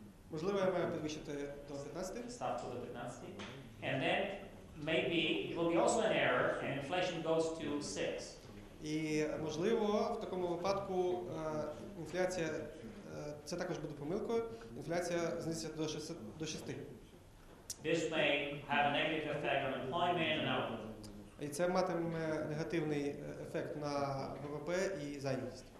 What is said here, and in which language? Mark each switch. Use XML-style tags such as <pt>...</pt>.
<uk>Можливо, я маю підвищити до 15? Став до 15.</uk> <en>And then maybe it will be also an error and inflation goes to 6.</en> <uk>І можливо, в такому випадку інфляція це також буде помилкою. Інфляція знизиться до 6 до 6.</uk> <en>This may have a negative effect on employment and output.</en> <uk>І це матиме негативний ефект на ВВП і зайнятість.</uk>